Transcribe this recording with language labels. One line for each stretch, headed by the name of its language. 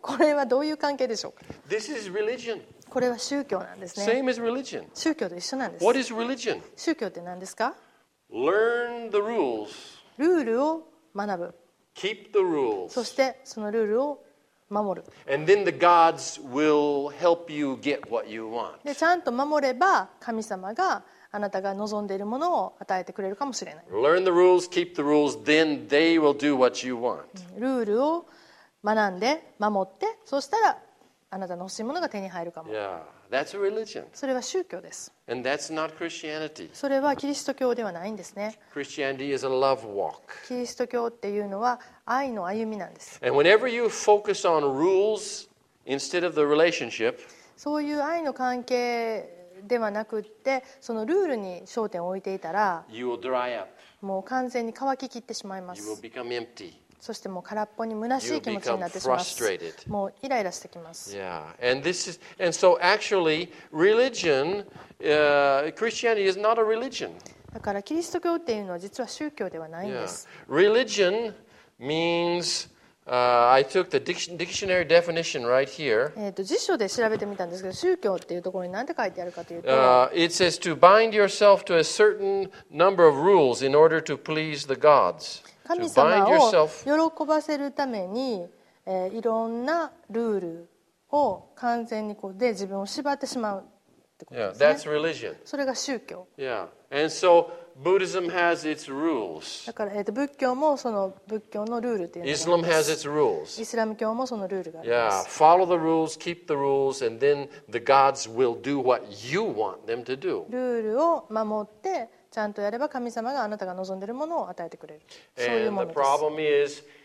Japanese: これはどういう関係でしょうか。
English: This is religion.
Japanese: これは宗教なんですね。
English: Same as religion.
Japanese: 宗教と一緒なんです。
English: What is religion?
Japanese: 宗教って何ですか？
English: Learn the rules.
Japanese: ルールを学ぶ。
English: Keep the rules.
Japanese: そしてそのルールを守る。
English: And then the gods will help you get what you want.
Japanese: でちゃんと守れば神様があなたが望んでいるものを与えてくれるかもしれない。
English: Learn the rules, keep the rules, then they will do what you want.
Japanese: ルールを学んで守って、そしたらあなたの欲しいものが手に入るかも。
English: Yeah, that's religion.
Japanese: それは宗教です。
English: And that's not Christianity.
Japanese: それはキリスト教ではないんですね。
English: Christianity is a love walk.
Japanese: キリスト教っていうのは愛の歩みなんです。
English: And whenever you focus on rules instead of the relationship,
Japanese: そういう愛の関係ではなくってそのルールに焦点を置いていたら、
English: you will dry up.
Japanese: もう完全に乾ききってしまいます。
English: You will become empty.
Japanese: そしてもう空っぽに虚しい気持ちになってしまう。もうイライラしてきます。
English: Yeah. And this is, and so actually, religion, Christianity is not a religion.
Japanese: だからキリスト教っていうのは実は宗教ではないんです。
English: Yeah. Religion means, I took the dictionary definition right here.
Japanese: 辞書で調べてみたんですけど、宗教っていうところに何て書いてあるかというと、
English: It says to bind yourself to a certain number of rules in order to please the gods.
Japanese: 神様を喜ばせるために、いろんなルールを完全にこうで自分を縛ってしまうってことですね。
English: Yeah,
Japanese: それが宗教。
English: Yeah. And so, Buddhism has its rules.
Japanese: だから、仏教もその仏教のルールっていうのがあります。
English: Islam has its rules.
Japanese: イスラム教もそのルールがあります。
English: Yeah. Follow the rules, keep the rules, and then the gods will do what you want them to do.
Japanese: ルールを守って。ちゃんとやれば神様があなたが望んでいるものを与えてくれる。そういうものです。